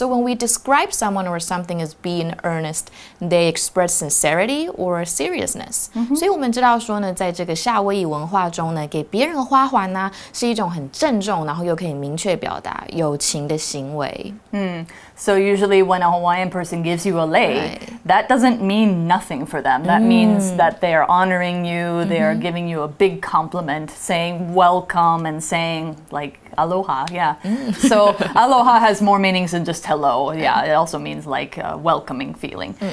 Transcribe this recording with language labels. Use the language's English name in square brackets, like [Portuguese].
[English] So when we describe someone or something as being earnest, they express sincerity or seriousness.、Mm-hmm. [Chinese] 所以我们知道说呢，在这个夏威夷文化中呢，给别人花环呢、啊、是一种很郑重，然后又可以明确表达友情的行为。 [English] So usually when a Hawaiian person gives you a lei,、right. that doesn't mean nothing for them. That、means that they are honoring you, they are giving you a big compliment, saying welcome and saying like aloha, yeah. So aloha has more meanings than just hello, yeah. It also means like a welcoming feeling.